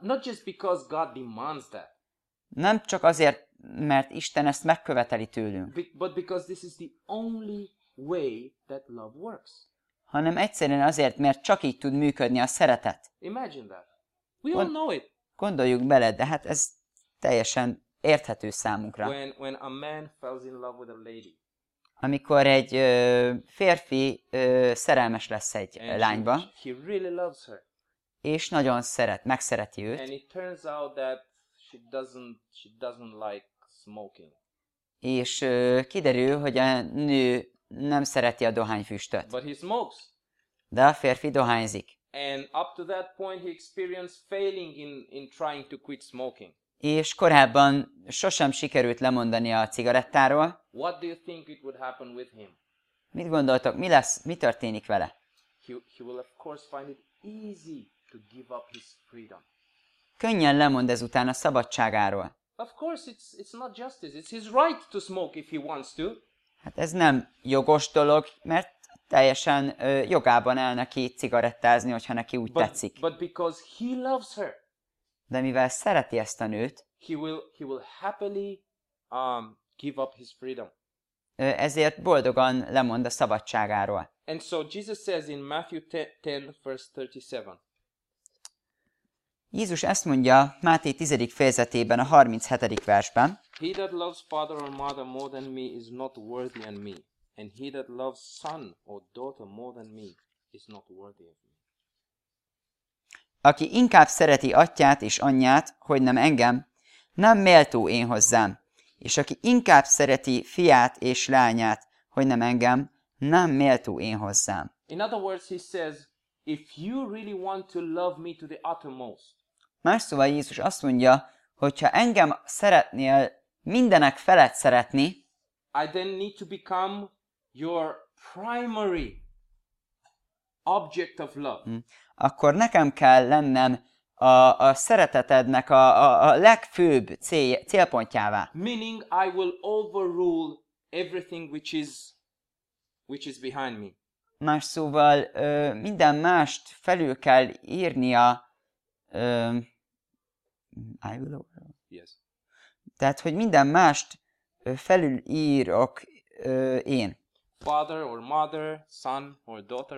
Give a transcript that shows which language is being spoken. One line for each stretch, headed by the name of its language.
English: Not just because God demands that.
Hungarian: Nem csak azért, mert Isten ezt megköveteli tőlünk.
English: But because this is the only way that love works.
Hungarian: Hanem egyszerűen azért, mert csak így tud működni a szeretet.
English: Imagine that. We all know it.
Hungarian: Gondoljuk bele, de hát ez teljesen érthető számunkra.
English: When a man falls in love with a lady,
Hungarian: amikor egy férfi szerelmes lesz egy lányba,
English: he really loves her.
Hungarian: És nagyon szeret, megszereti őt.
English: And it turns out that she doesn't like smoking.
Hungarian: És kiderül, hogy a nő nem szereti a dohányfüstöt.
English: But he smokes.
Hungarian: De a férfi dohányzik.
English: And up to that point he experienced failing in trying to quit smoking.
Hungarian: És korábban sosem sikerült lemondani a cigarettáról.
English: What do you think it would happen with him?
Hungarian: Mit gondoltok, mi lesz, mi történik vele?
English: He will of course find it easy to give up his freedom.
Hungarian: Könnyen lemond ezután a szabadságáról.
English: Of course it's not justice, it's his right to smoke if he wants to.
Hungarian: Hát ez nem jogos dolog, mert teljesen jogában el neki cigarettázni, hogyha neki úgy tetszik.
English: But because he loves her.
Hungarian: De mivel szereti ezt a nőt,
English: he will happily give up his freedom.
Hungarian: Ezért boldogan lemond a szabadságáról.
English: And so Jesus says in Matthew 10 verse 37.
Hungarian: Jézus ezt mondja Máté 10. fejezetében a 37. versben.
English: He that loves father or mother more than me is not worthy of me, and he that loves son or daughter more than me is not worthy of me.
Hungarian: Aki inkább szereti atyát és anyját, hogy nem engem, nem méltó én hozzám. És aki inkább szereti fiát és lányát, hogy nem engem, nem méltó én hozzám.
English: In other words, he says, if you really want to love me to the uttermost.
Hungarian: Más szóval Jézus azt mondja, hogyha engem szeretnél mindenek felett szeretni,
English: I then need to become your primary object of love.
Hungarian: Akkor nekem kell lennem a szeretetednek a legfőbb célpontjává.
English: Meaning I will overrule everything which is behind me.
Hungarian: Más szóval minden mást felül kell írnia.
English: I will overrule. Yes.
Hungarian: Tehát, hogy minden mást felül írok én.
English: Father or mother, son or daughter.